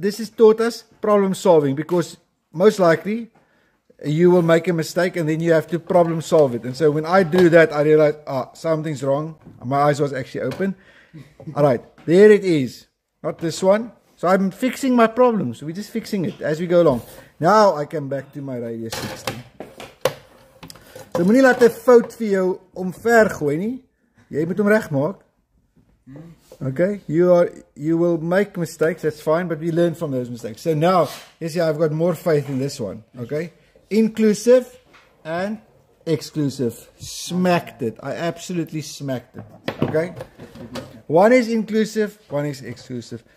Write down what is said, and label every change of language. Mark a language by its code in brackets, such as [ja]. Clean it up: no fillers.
[en] This has taught us problem solving because most likely you will make a mistake and then you have to problem solve it. And so when I do that, I realize, something's wrong. My eyes was actually open. All right, there it is. Not this one. So I'm fixing my problems. We're just fixing it as we go along. Now I come back to my radius 60. [af] So moenie laat 'n fout vir jou omver gooi nie. Jy moet hom regmaak. [en] Okay, you will make mistakes, that's fine, but we learn from those mistakes. So now, you see, I've got more faith in this one, okay? Inclusive and exclusive. Smacked it. I absolutely smacked it, okay? One is inclusive, one is exclusive.